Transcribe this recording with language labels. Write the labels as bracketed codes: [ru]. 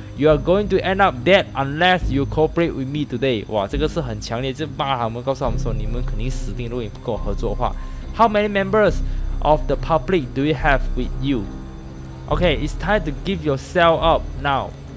[en] You are going to end up dead unless you cooperate with me today. [zh] 哇，这个是很强烈，就骂他们，告诉他们说你们肯定死定，如果你不跟我合作的话。 [en] How many members of the public do you have with you? Okay, it's time to give yourself up now.